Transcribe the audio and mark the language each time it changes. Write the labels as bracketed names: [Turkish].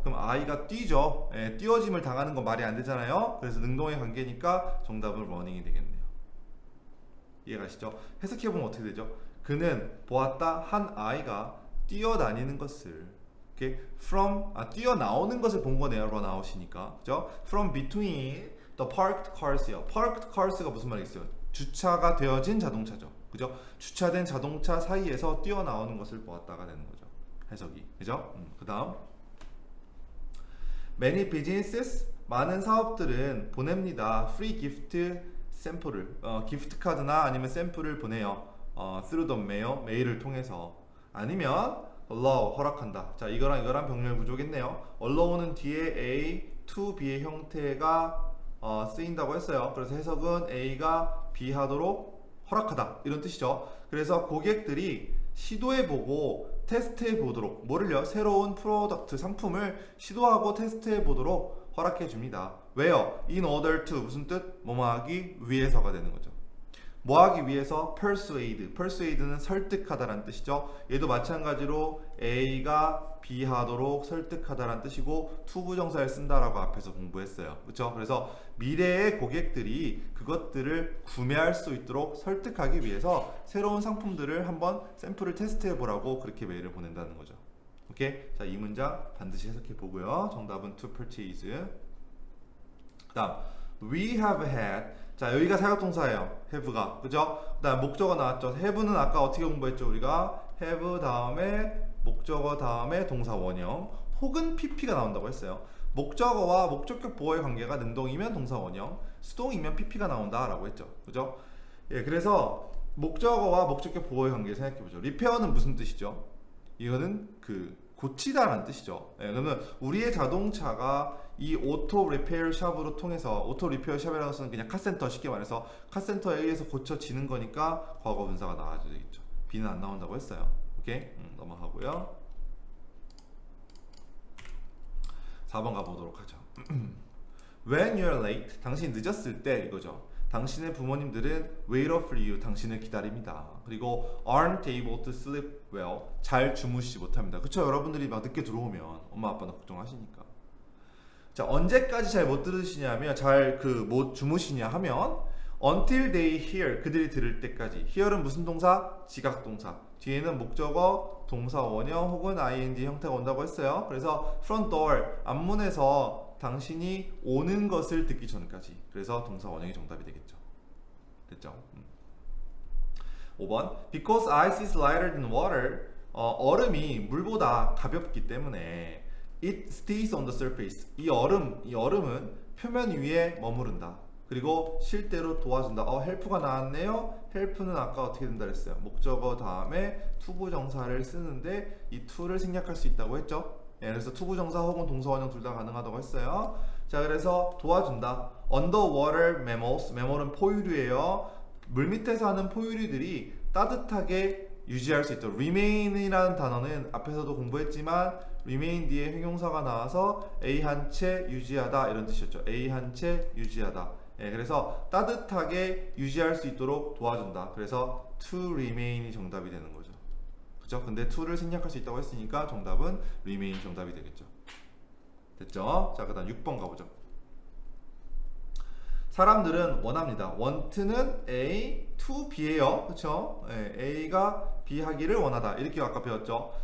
[Korean] 그럼 아이가 뛰죠. 예, 뛰어짐을 당하는 건 말이 안 되잖아요. 그래서 능동의 관계니까 정답은 running이 되겠네요. 이해가시죠? 해석해보면 어떻게 되죠? 그는 보았다 한 아이가 뛰어다니는 것을. 이렇게 from, 뛰어나오는 것을 본 거네요. run out이니까. 그죠? [English] From between the parked cars요. [Korean] Parked cars가 무슨 말이겠어요? 주차가 되어진 자동차죠. 그죠? 주차된 자동차 사이에서 뛰어나오는 것을 보았다가 되는 거죠. 해석이. 그죠? 그 다음. [English] Many businesses, [Korean] 많은 사업들은 보냅니다. [English] Free gift sample [Korean] 를, 기프트 카드나 아니면 샘플을 보내요. [English] Through the mail, [Korean] 메일을 통해서. 아니면 allow, 허락한다. 자, 이거랑 이거랑 병렬 구조겠네요. allow는 뒤에 A to B의 형태가 쓰인다고 했어요. 그래서 해석은 A가 B 하도록 허락하다. 이런 뜻이죠. 그래서 고객들이 시도해 보고 테스트해 보도록, 뭐를요? 새로운 프로덕트 상품을 시도하고 테스트해 보도록 허락해 줍니다. 왜요? [English] In order to [Korean] 무슨 뜻? 뭐뭐 하기 위해서가 되는 거죠. 뭐 하기 위해서? Persuade. Persuade는 설득하다라는 뜻이죠. 얘도 마찬가지로 A가 B 하도록 설득하다라는 뜻이고, to 부정사를 쓴다라고 앞에서 공부했어요. 그쵸? 그래서 미래의 고객들이 그것들을 구매할 수 있도록 설득하기 위해서 새로운 상품들을 한번 샘플을 테스트해 보라고 그렇게 메일을 보낸다는 거죠. 오케이? 자, 이 문장 반드시 해석해 보고요. 정답은 [English] to purchase. [Korean] 그다음 [English] we have had. [Korean] 자, 여기가 사역동사예요. have가. 그죠? 그다음 목적어 나왔죠. have는 아까 어떻게 공부했죠, 우리가? have 다음에 목적어 다음에 동사 원형 혹은 PP가 나온다고 했어요. 목적어와 목적격 보호의 관계가 능동이면 동사 원형, 수동이면 PP가 나온다라고 했죠. 그죠? 예, 그래서 목적어와 목적격 보호의 관계 생각해 보죠. 리페어는 무슨 뜻이죠? 이거는 그 고치다라는 뜻이죠. 예, 그러면 우리의 자동차가 이 오토 리페어 샵으로 통해서, 오토 리페어 샵이라는 것은 그냥 카센터, 쉽게 말해서 카센터에 의해서 고쳐지는 거니까 과거분사가 나와야 되겠죠. B는 안 나온다고 했어요. 오케이? 넘어가고요. 4번 가보도록 하죠. [English] When you're late, [Korean] 당신이 늦었을 때 이거죠. 당신의 부모님들은 [English] wait up for you, [Korean] 당신을 기다립니다. 그리고 [English] aren't able to sleep well, [Korean] 잘 주무시지 못합니다. 그쵸? 여러분들이 막 늦게 들어오면 엄마 아빠는 걱정하시니까. 자, 언제까지 잘못 들으시냐면, 잘그못 주무시냐 하면 [English] until they hear, [Korean] 그들이 들을 때까지. hear은 무슨 동사? 지각동사. 뒤에는 목적어, 동사 원형 혹은 ing 형태가 온다고 했어요. 그래서 front door, 앞문에서 당신이 오는 것을 듣기 전까지. 그래서 동사 원형이 정답이 되겠죠. 됐죠? 5번. [English] Because ice is lighter than water. [Korean] 얼음이 물보다 가볍기 때문에 [English] It stays on the surface. [Korean] 이 얼음은 표면 위에 머무른다. 그리고 실제로 도와준다. help가 나왔네요. help는 아까 어떻게 된다 그랬어요? 목적어 다음에 to 부정사를 쓰는데 이 to를 생략할 수 있다고 했죠? 예, 그래서 to 부정사 혹은 동사원형 둘다 가능하다고 했어요. 자, 그래서 도와준다. [English] Underwater mammals. [Korean] mammal은 포유류예요. 물 밑에 사는 포유류들이 따뜻하게 유지할 수 있도록 remain이라는 단어는 앞에서도 공부했지만 remain 뒤에 형용사가 나와서 a 한 채 유지하다 이런 뜻이었죠. a 한 채 유지하다. 예, 그래서 따뜻하게 유지할 수 있도록 도와준다. 그래서 to remain이 정답이 되는 거죠. 그죠? 근데 to를 생략할 수 있다고 했으니까 정답은 remain 정답이 되겠죠. 됐죠? 자, 그 다음 6번 가보죠. 사람들은 원합니다. want는 a to b예요. 그쵸? 예, a가 b 하기를 원하다. 이렇게 아까 배웠죠?